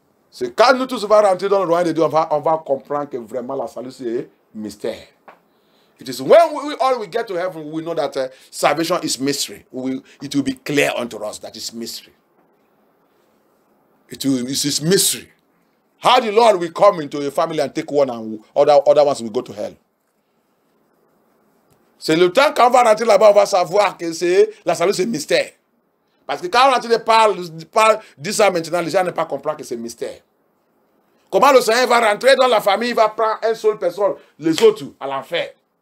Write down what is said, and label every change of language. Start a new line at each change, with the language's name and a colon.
French: C'est quand nous tous allons rentrer dans le royaume de Dieu, on va comprendre que vraiment la salut, c'est mystère.
English: It is when we get to heaven, we know that salvation is mystery. It will be clear unto us that it's mystery. It is mystery. How the Lord will come into a family and take one and other ones will go to hell.
French: C'est le temps qu'on va rentrer là-bas, on va savoir que la salut, c'est mystère. Parce que quand on rentre parle, dit ça maintenant, les gens ne pas comprendre que c'est mystère. Comment le Seigneur va rentrer dans la famille, il va prendre une seule personne, les autres à l'enfer.